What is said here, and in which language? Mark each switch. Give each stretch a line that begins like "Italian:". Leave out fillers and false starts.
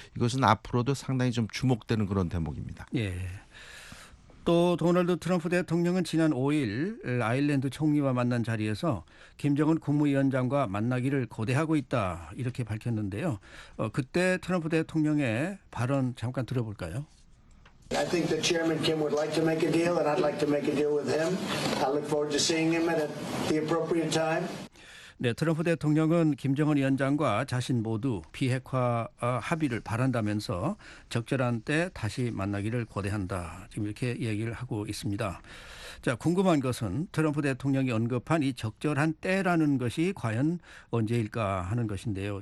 Korean: 이것은 앞으로도 상당히 좀 주목되는 그런 대목입니다. 예. 또 도널드 트럼프 대통령은 지난 5일 아일랜드 총리와 만난 자리에서 김정은 국무위원장과 만나기를 고대하고 있다 이렇게 밝혔는데요. 그때 트럼프 대통령의 발언 잠깐 들어볼까요?
English: I think the chairman Kim would like to make a deal and I'd like to make a deal with him. I look forward to seeing him at the appropriate time.
Korean: 네, 트럼프 대통령은 김정은 위원장과 자신 모두 비핵화 합의를 바란다면서 적절한 때 다시 만나기를 고대한다. 지금 이렇게 얘기를 하고 있습니다. 자, 궁금한 것은 트럼프 대통령이 언급한 이 적절한 때라는 것이 과연 언제일까 하는 것인데요.